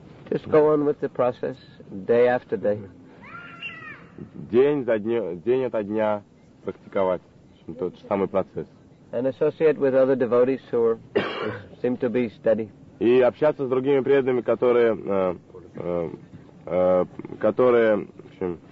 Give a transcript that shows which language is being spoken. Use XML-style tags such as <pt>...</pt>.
<en>Just go on with the process day after day.</en> <ru>День ото дня практиковать тот же самый процесс.</ru> <en>And associate with other devotees who seem to be steady.</en> <ru>И общаться с другими преданными, которые, в общем,</ru>